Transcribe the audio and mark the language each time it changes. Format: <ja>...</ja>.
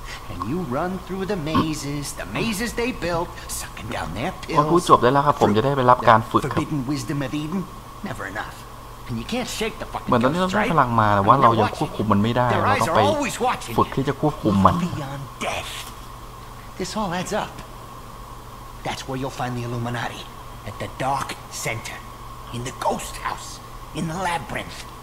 <en>And you run through the mazes they built, sucking down their pills.</en> <th>ผมพูดจบได้แล้วครับผมจะได้ไปรับการฝึกครับ</th> <en>Forbidden wisdom of Eden, never enough. And you can't shake the fucking.</en> <th>เหมือนตอนนี้เราได้พลังมาแต่ว่าเรายังควบคุมมันไม่ได้เราต้องไปฝึกที่จะควบคุมมัน</th> <en>Beyond death. This all adds up. That's where you'll find the Illuminati, at the dark center, in the ghost house, in the labyrinth.</en>